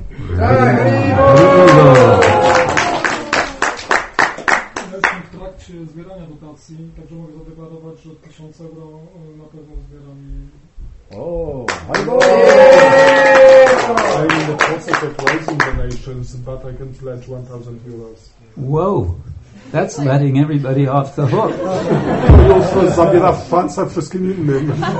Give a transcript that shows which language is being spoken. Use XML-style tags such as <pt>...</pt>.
<pl>Jestem w trakcie zbierania dotacji, także mogę zadeklarować, że 1000 euro na pewno zbieram.</pl> <en>I'm in the process of raising donations, but I can pledge 1,000 euros. Whoa, that's letting everybody off the hook.</en> <pl>To już zabiera szansę wszystkim innym.</pl>